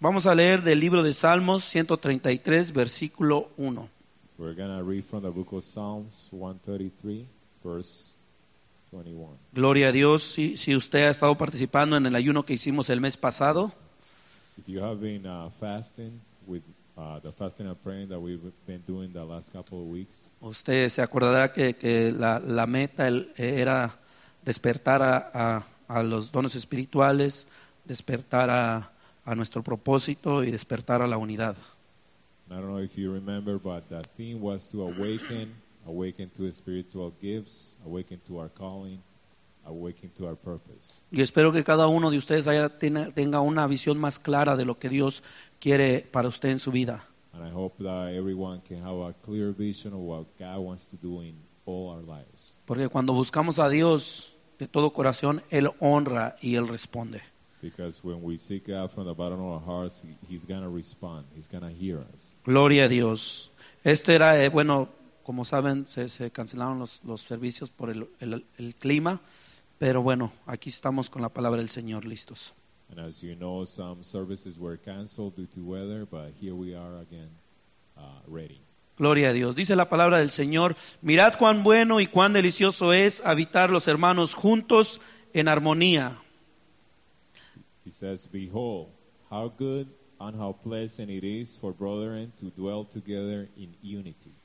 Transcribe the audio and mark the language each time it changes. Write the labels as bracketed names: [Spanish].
[Spanish] Vamos a leer del libro de Salmos 133, versículo 1. [English] We're going to read from the book of Psalms 133, verse 21. [Spanish] Gloria a Dios, si usted ha estado participando en el ayuno que hicimos el mes pasado. [English] If you have been fasting with the fasting and praying that we've been doing the last couple of weeks. [Spanish] Usted se acordará que la meta era despertar a los dones espirituales, despertar a nuestro propósito y despertar a la unidad. [English] I don't know if you remember, but the theme was to awaken to spiritual gifts, awaken to our calling, awaken to our purpose. [Spanish] Y espero que cada uno de ustedes haya tenga una visión más clara de lo que Dios quiere para usted en su vida. [English] And I hope that everyone can have a clear vision of what God wants to do in all our lives. [Spanish] Porque cuando buscamos a Dios de todo corazón, Él honra y Él responde. [English] Because when we seek God from the bottom of our hearts, He's going to respond. He's going to hear us. [Spanish] Gloria a Dios. Este era, bueno, como saben, se cancelaron los servicios por el clima. Pero bueno, aquí estamos con la palabra del Señor listos. [English] And as you know, some services were canceled due to weather, but here we are again, ready. [Spanish] Gloria a Dios. Dice la palabra del Señor, mirad cuán bueno y cuán delicioso es habitar los hermanos juntos en armonía. [English] He says, behold, how good and how pleasant it is for brethren to dwell together in unity.